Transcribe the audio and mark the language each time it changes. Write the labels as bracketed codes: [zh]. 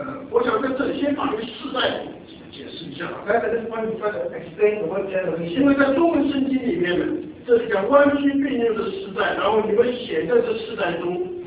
[zh] 我想在这里先把这个世代解释一下。 [en] Let us first try to explain the word generation. [zh] 现在在中文圣经里面呢，这是讲弯曲背拧的世代，然后你们写在这世代中。